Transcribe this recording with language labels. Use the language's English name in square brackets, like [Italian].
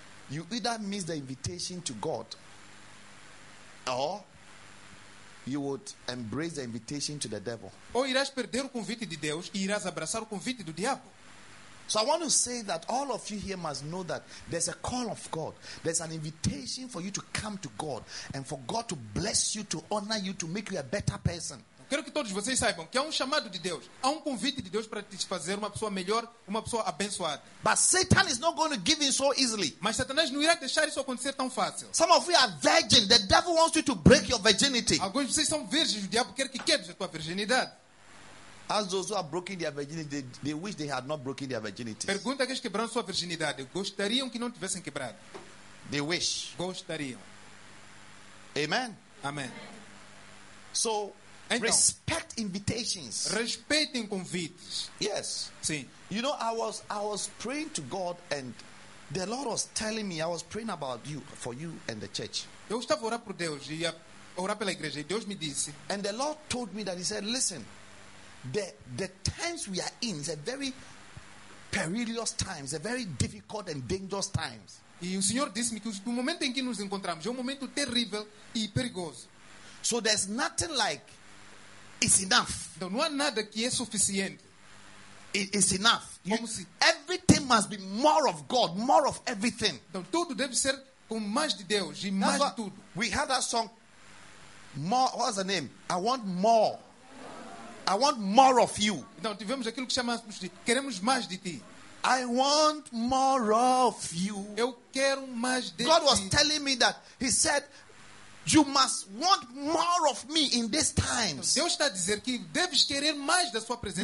[English] you either miss the invitation to God, or you would embrace the invitation to the devil. [Portuguese] Ou irás perder o convite de Deus e irás abraçar o convite do diabo. [English] So I want to say that all of you here must know that there's a call of God. There's an invitation for you to come to God and for God to bless you, to honor you, to make you a better person. [Portuguese] Eu quero que todos vocês saibam que há chamado de Deus. Há convite de Deus para te fazer uma pessoa melhor, uma pessoa abençoada. [English] But Satan is not going to give in so easily. [Portuguese] Mas Satanás não irá deixar isso acontecer tão fácil. [English] Some of you are virgin. The devil wants you to break your virginity. [Portuguese] Alguns de vocês são virgens. O diabo quer que quebre a tua virgindade. [English] As those who have broken their virginity, they wish they had not broken their virginity. [Portuguese] Pergunta aqueles que quebraram sua virginidade, gostariam que não tivessem quebrado. [English] They wish. [Portuguese] Gostariam. [English] Amen. [Portuguese] Amen. [English] So, [Portuguese] então, [English] respect invitations. [Portuguese] Respeitem convites. [English] Yes. [Portuguese] Sim. [English] You know, I was praying to God and the Lord was telling me, I was praying about you, for you and the church. [Portuguese] Eu estava orando por Deus e orar pela igreja e Deus me disse. [English] And the Lord told me that he said, "Listen, The times we are in is a very perilous times, a very difficult and dangerous times." [Portuguese] E o Senhor disse-me que o momento em que nos encontramos é momento terrível e perigoso. [English] So there's nothing like it's enough. [Portuguese] Então, não há nada que é suficiente. [English] It's enough. [Portuguese] Como se... [English] Everything must be more of God, more of everything. [Portuguese] Então, tudo deve ser com mais de Deus, e mais de tudo. [English] We had that song. More, what's the name? I want more. I want more of you. [Portuguese] Então, tivemos aquilo que chamamos de queremos mais de ti. [English] I want more of you. [Portuguese] Eu quero mais de [English] God [Portuguese] ti. [English] Was telling me that. He said, "You must want more of me in these times." [Portuguese] Então, Deus está a dizer que deves querer mais da sua presença.